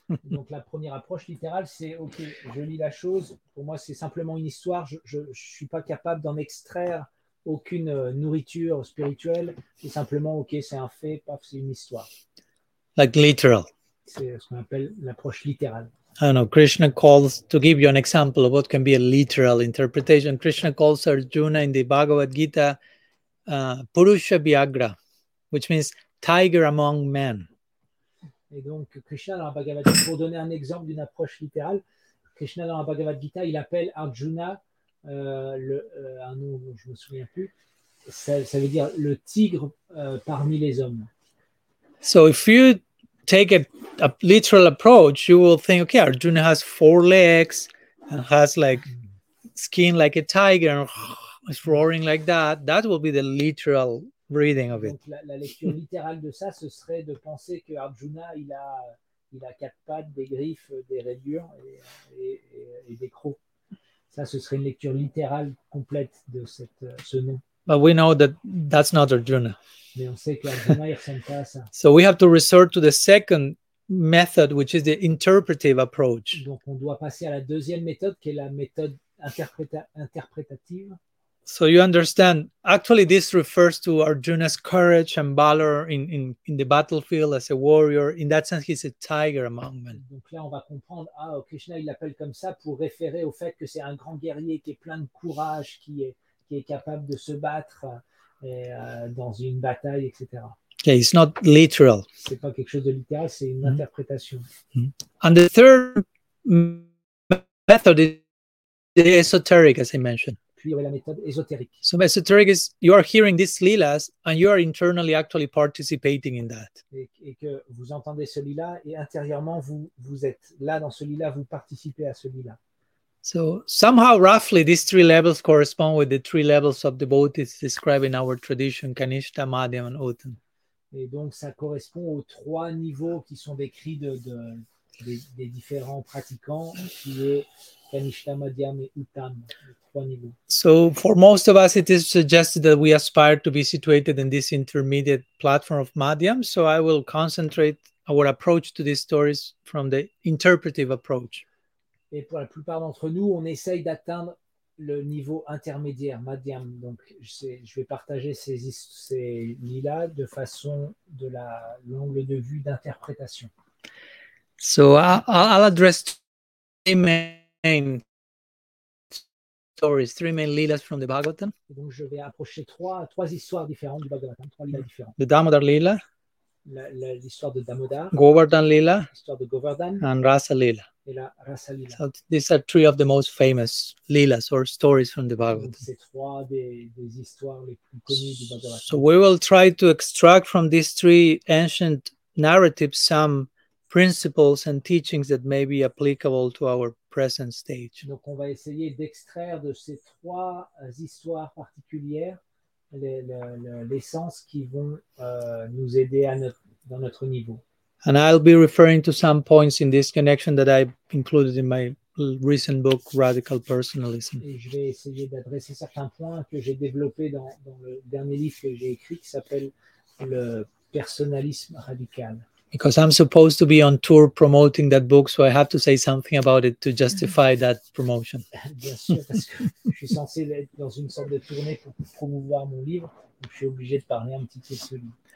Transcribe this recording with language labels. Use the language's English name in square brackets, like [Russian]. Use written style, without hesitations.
[French] Donc la première approche littérale, c'est, OK, je lis la chose. Pour moi, c'est simplement une histoire. Je ne suis pas capable d'en extraire aucune nourriture spirituelle. C'est simplement, OK, c'est un fait, paf, c'est une histoire. [English] Like literal. [French] C'est ce qu'on appelle l'approche littérale. [English] I don't know, Krishna calls, to give you an example of what can be a literal interpretation, Krishna calls Arjuna in the Bhagavad Gita Purusha Vyagra, which means tiger among men. [French] Et donc Krishna dans la Bhagavad Gita, pour donner un exemple d'une approche littérale, Krishna dans la Bhagavad Gita, il appelle Arjuna, un nom dont je ne me souviens plus, ça veut dire le tigre parmi les hommes. [English] So if you take a literal approach, you will think, okay, Arjuna has four legs and has like skin like a tiger and is roaring like that. That will be the literal reading of it. [French] Donc, la lecture littérale de ça, ce serait de penser que Arjuna, il a quatre pattes, des griffes, des rayures et des crocs. Ça, ce serait une lecture littérale complète de cette, ce nom. [English] But we know that that's not Arjuna. [French] Mais on sait qu'Arjuna, il ressemble pas à ça. [English] So we have to resort to the second method, which is the interpretive approach. [French] Donc on doit passer à la deuxième méthode, qui est la méthode interprétative. [English] So you understand, actually this refers to Arjuna's courage and valor in the battlefield as a warrior. In that sense, he's a tiger among men. [French] Donc là, on va comprendre, ah, Krishna, il l'appelle comme ça pour référer au fait que c'est un grand guerrier qui est plein de courage, qui est capable de se battre et, dans une bataille, etc. [English] Okay, it's not literal. [French] C'est pas quelque chose de littéral, c'est une interprétation. Mm-hmm. [English] And the third method is esoteric, as I mentioned. [French] Puis il y aurait la méthode ésotérique. [English] So esoteric is you are hearing these lilas and you are internally actually participating in that. [French] Et que vous entendez ce lila et intérieurement vous êtes là dans ce lila, vous participez à ce lila. [English] So somehow roughly these three levels correspond with the three levels of devotees described in our tradition, Kanishtha, Madhyam and Uttam. [French] Et donc ça correspond aux trois niveaux qui sont décrits des différents pratiquants, qui est Kanishtha, Madhyam et Uttam. [English] So for most of us, it is suggested that we aspire to be situated in this intermediate platform of Madhyam. So I will concentrate our approach to these stories from the interpretive approach. [French] Et pour la plupart d'entre nous, on essaye d'atteindre le niveau intermédiaire Madhyam. Donc je vais partager ces lilas de façon de la l'angle de vue d'interprétation. [English] So I'll address the main stories, three main lilas from the Bhagavatam. [French] Donc je vais approcher trois histoires différentes du Bhagavatam, trois lilas différentes. [English] The Damodar lila, [French] l'histoire de Damodar. [English] Govardhan lila, [French] l'histoire de Govardhan. [English] And Rasa lila. [French] Et la Rasa lila. [English] So these are three of the most famous lilas or stories from the Bhagavatam. [French] C'est trois des histoires les plus connues du Bhagavatam. [English] So we will try to extract from these three ancient narratives some principles and teachings that may be applicable to our present stage. [French] Donc on va essayer d'extraire de ces trois histoires particulières l'essence qui vont nous aider dans notre niveau. [English] And I'll be referring to some points in this connection that I included in my recent book, Radical Personalism. [French] Et je vais essayer d'adresser certains points que j'ai développés dans le dernier livre que j'ai écrit qui s'appelle Le Personnalisme Radical. [English] Because I'm supposed to be on tour promoting that book, so I have to say something about it to justify that promotion. [French] Bien sûr, parce que je suis censé être dans une sorte de tournée pour promouvoir mon livre, donc je suis obligé de parler un petit peu de celui.